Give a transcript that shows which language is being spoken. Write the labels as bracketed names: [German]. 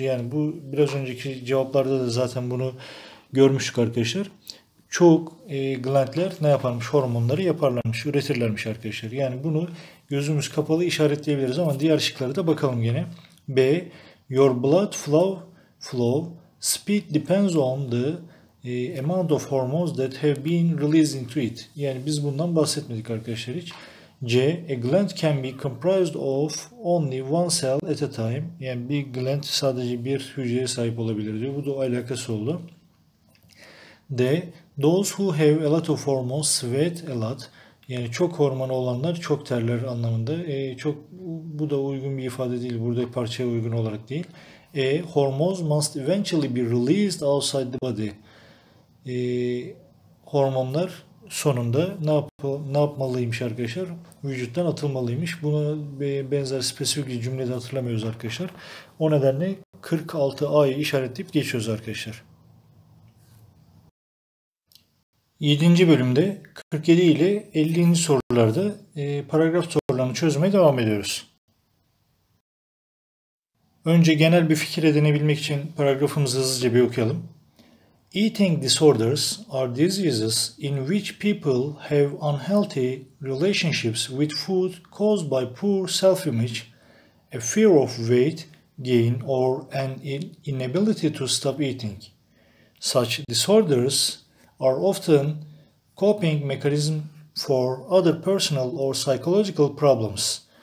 [Turkish] Yani bu biraz önceki cevaplarda da zaten bunu görmüştük arkadaşlar. Çok glandler ne yaparmış? Hormonları yaparlarmış, üretirlermiş arkadaşlar. Yani bunu gözümüz kapalı işaretleyebiliriz ama diğer şıkları da bakalım gene. B. [English] Your blood flow speed depends on the amount of hormones that have been released into it. [Turkish] Yani biz bundan bahsetmedik arkadaşlar hiç. [English] C. A gland can be comprised of only one cell at a time. [Turkish] Yani bir gland sadece bir hücreye sahip olabilir diyor. Bu da alakası oldu. D. [English] Those who have a lot of hormones sweat a lot. [Turkish] Yani çok hormon olanlar çok terler anlamında. Çok, bu da uygun bir ifade değil. Burada parçaya uygun olarak değil. E. [English] Hormones must eventually be released outside the body. [Turkish] Hormonlar sonunda ne yapmalıymış arkadaşlar? Vücuttan atılmalıymış. Bunu benzer spesifik bir cümlede hatırlamıyoruz arkadaşlar. O nedenle 46A'yı işaretleyip geçiyoruz arkadaşlar. 7. bölümde 47 ile 50. sorularda paragraf sorularını çözmeye devam ediyoruz. Önce genel bir fikir edinebilmek için paragrafımızı hızlıca bir okuyalım. [English] Eating disorders are diseases in which people have unhealthy relationships with food caused by poor self-image, a fear of weight gain or an inability to stop eating. Such disorders are often coping mechanism for other personal or psychological problems.